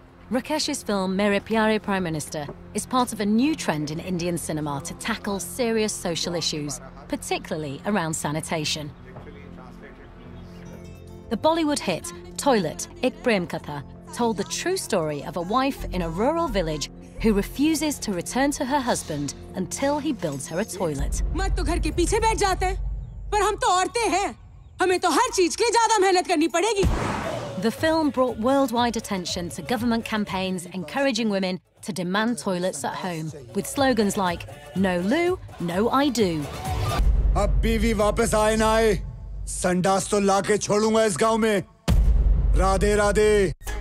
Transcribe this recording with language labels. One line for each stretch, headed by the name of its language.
English: Rakesh's film Mere Pyare Prime Minister is part of a new trend in Indian cinema to tackle serious social issues, particularly around sanitation. The Bollywood hit Toilet, Ik Prem Katha, told the true story of a wife in a rural village who refuses to return to her husband until he builds her a toilet.
Hindi: मत तो घर के पीछे बैठ जाते, पर हम तो औरतें हैं, हमें तो हर चीज के लिए ज़्यादा मेहनत करनी पड़ेगी.
English: The film brought worldwide attention to government campaigns encouraging women to demand toilets at home, with slogans like "No loo, no I do."
Hindi: अब बीवी वापस आए ना आए, संडास तो लाके छोडूंगा इस गांव में. राधे राधे.